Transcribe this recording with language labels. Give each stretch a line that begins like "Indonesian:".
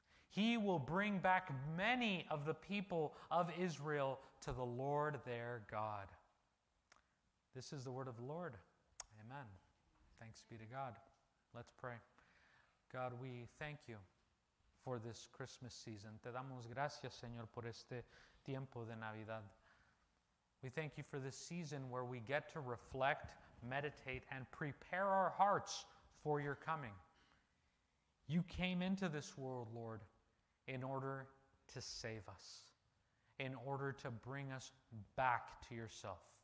English: He will bring back many of the people of Israel to the Lord their God." This is the word of the Lord. Amen. Thanks be to God. Let's pray. God, we thank you for this Christmas season.
Spanish: Te damos gracias, Señor, por este tiempo de Navidad.
English: We thank you for this season where we get to reflect, meditate, and prepare our hearts for your coming. You came into this world, Lord, in order to save us, in order to bring us back to yourself.